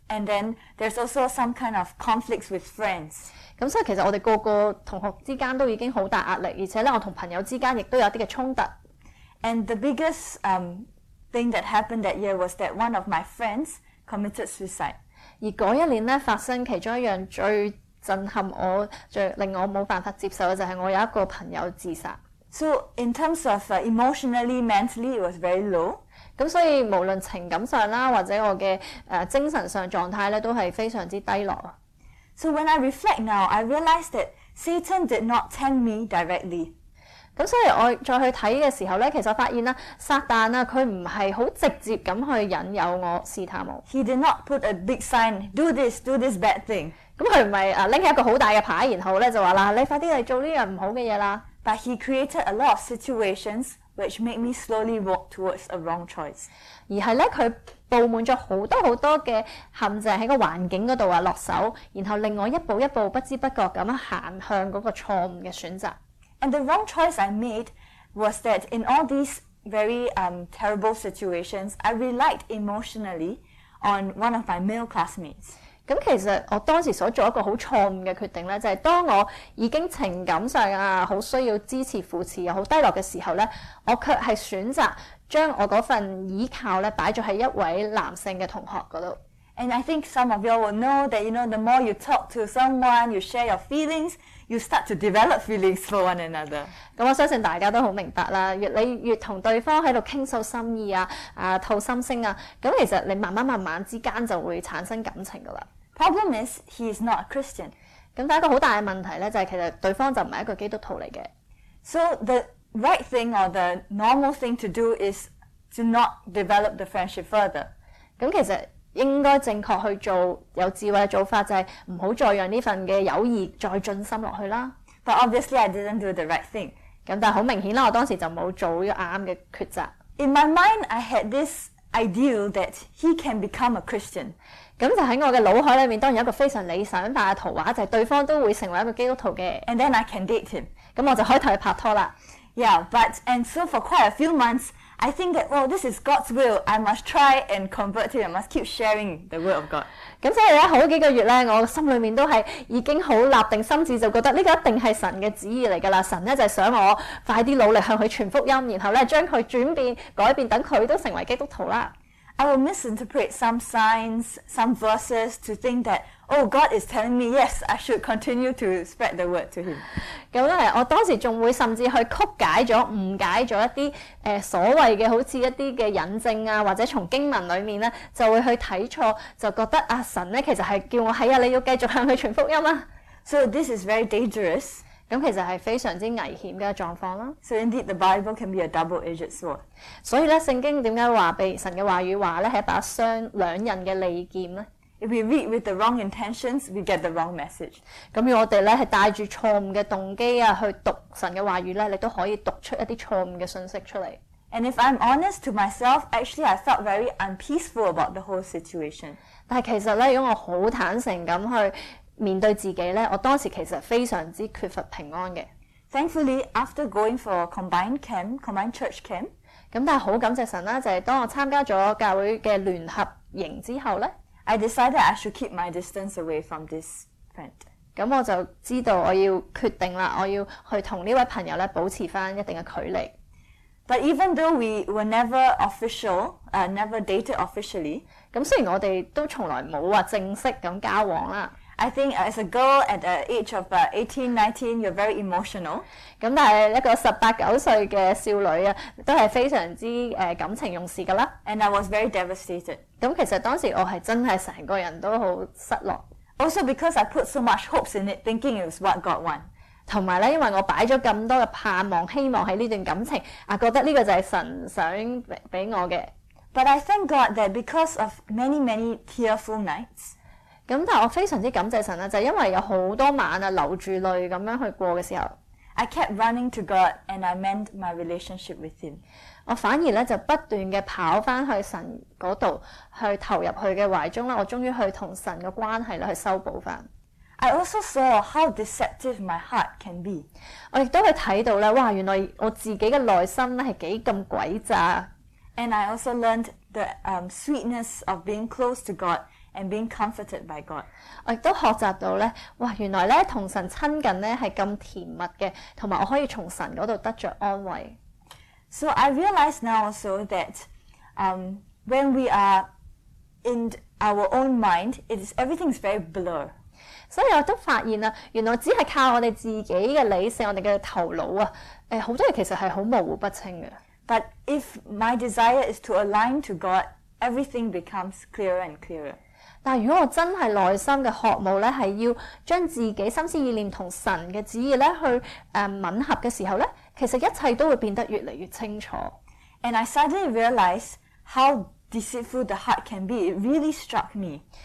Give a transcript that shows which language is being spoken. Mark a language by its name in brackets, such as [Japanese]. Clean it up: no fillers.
[English] And then there's also some kind of conflicts with friends. [Cantonese] 咁所以其實我哋個個同學之間都已經好大壓力，而且咧我同朋友之間亦都有啲嘅衝突。 [English] And the biggest thing that happened that year was that one of my friends committed suicide. [Cantonese] 而嗰一年咧發生其中一樣最震撼我、最令我冇辦法接受嘅就係我有一個朋友自殺。 [English] So in terms of emotionally, mentally, it was very low. [Cantonese] 咁所以無論情感上啦，或者我嘅精神上狀態咧，都係非常之低落。 [English] So when I reflect now, I realize that Satan did not tempt me directly. [Cantonese] 咁所以我再去睇嘅時候咧，其實發現啦，撒旦啊，佢唔係好直接咁去引誘我試探我。 [English] He did not put a big sign, do this bad thing. [Cantonese] 咁佢唔係拎起一個好大嘅牌，然後咧就話啦，你快啲嚟做呢樣唔好嘅嘢啦。 [English] But he created a lot of situations. Which made me slowly walk towards a wrong choice. [Cantonese] 而係咧，佢佈滿咗好多好多嘅陷阱喺個環境嗰度啊落手，然後令我一步一步不知不覺咁樣行向嗰個錯誤嘅選擇。 [English] And the wrong choice I made was that in all these very terrible situations, I relied emotionally on one of my male classmates. [Cantonese] 咁其實我當時所做一個好錯誤嘅決定咧，就係當我已經情感上啊好需要支持扶持又好低落嘅時候咧，我卻係選擇將我嗰份依靠咧擺咗喺一位男性嘅同學嗰度。 [English] And I think some of you all will know that, you know, the more you talk to someone, you share your feelings, you start to develop feelings for one another. [Cantonese] 咁我相信大家都好明白啦，越你越同对方喺度倾诉心意啊，啊吐心声啊，咁其实你慢慢慢慢之间就会产生感情噶啦。 [English] Problem is, he is not a Christian. [Cantonese] 咁但系一个好大嘅问题咧，就系其实对方就唔系一个基督徒嚟嘅。 [English] So the right thing or the normal thing to do is to not develop the friendship further. [Cantonese] 咁其实应该正确去做有智慧嘅做法，就系唔好再让呢份嘅友谊再进深落去啦。 [English] But obviously, I didn't do the right thing. [Cantonese] 咁但系好明显啦，我当时就冇做呢个啱嘅抉择。 [English] In my mind, I had this ideal that he can become a Christian. [Cantonese] 咁就喺我嘅脑海里面，当然有一个非常理想化嘅图画，就系对方都会成为一个基督徒嘅。 [English] And then I can date him. [Cantonese] 咁我就可以同佢拍拖啦。 [English] Yeah, but and so for quite a few months. I think that, well, this is God's will. I must try and convert him. I must keep sharing the word of God. [Cantonese] 咁所以咧，好几个月咧，我心里面都系已经好立定心智，就觉得呢个一定系神嘅旨意嚟噶啦。神咧就系想我快啲努力向佢传福音，然后咧将佢转变、改变，等佢都成为基督徒啦。 [English] I will misinterpret some signs, some verses to think that, oh, God is telling me, yes, I should continue to spread the word to him. [Cantonese] 咁咧，我当时仲会甚至去曲解咗、误解咗一啲所谓嘅好似一啲嘅引证啊，或者从经文里面咧就会去睇错，就觉得啊神咧其实系叫我系啊，你要继续向佢传福音啊。 [English] So this is very dangerous. [Cantonese] 咁其实系非常之危险嘅状况啦。 [English] So indeed, the Bible can be a double-edged sword. [Cantonese] 所以咧，圣经点解话被神嘅话语话咧系一把双两刃嘅利剑咧？ [English] If we read with the wrong intentions, we get the wrong message. [Cantonese] 咁要我哋咧系带住错误嘅动机啊去读神嘅话语咧，你都可以读出一啲错误嘅信息出嚟。 [English] And if I'm honest to myself, actually I felt very unpeaceful about the whole situation. [Cantonese] 但系其实咧，如果我好坦诚咁去面对自己咧，我当时其实非常之缺乏平安嘅。 [English] Thankfully, after going for combined church camp, [Cantonese] 咁但系好感谢神啦，就系当我参加咗教会嘅联合营之后咧。 [English] I decided I should keep my distance away from this friend. [Cantonese] 咁我就知道我要决定啦，我要去同呢位朋友咧保持翻一定嘅距离。 [English] But even though we were never official, never dated officially. [Cantonese] 咁虽然我哋都从来冇话正式咁交往啦。 [English] I think as a girl at the age of 18, 19, you're very emotional. [Cantonese] 咁但系一个十八九岁嘅少女啊，都系非常之感情用事噶啦。 [English] And I was very devastated. [Cantonese] 咁其实当时我系真系成个人都好失落。 [English] Also because I put so much hopes in it, thinking it was what God wanted. [Cantonese] 同埋咧，因为我摆咗咁多嘅盼望、希望喺呢段感情，啊，觉得呢个就系神想俾我嘅。 [English] But I thank God that because of many, many tearful nights. [Cantonese] 咁但我非常之感谢神啦，就是、因为有好多晚啊流住泪咁样去过嘅时候 [English] ，I kept running to God and I mend my relationship with Him。 [Cantonese] 我反而咧就不断嘅跑翻去神嗰度，去投入佢嘅怀中啦。我终于去同神嘅关系咧去修补翻。 [English] I also saw how deceptive my heart can be。 [Cantonese] 我亦都去睇到咧，哇！原来我自己嘅内心咧系几咁诡诈。 [English] And I also learned the sweetness of being close to God。 And being comforted by God, [Cantonese] 我亦都學習到咧，哇！原來咧同神親近咧係咁甜蜜嘅，同埋我可以從神嗰度得著安慰。 [English] So I realize now also that, when we are in our own mind, everything is very blur. [Cantonese] 所以我都發現啦，原來只係靠我哋自己嘅理性、我哋嘅頭腦啊，好多嘢其實係好模糊不清嘅。 [English] But if my desire is to align to God, everything becomes clearer and clearer. [Cantonese] 但如果我真系内心嘅渴慕咧，系要将自己心思意念同神嘅旨意咧去吻合嘅时候咧，其实一切都会变得越嚟越清楚。 [English] And I suddenly realize how deceitful the heart can be. It really struck me.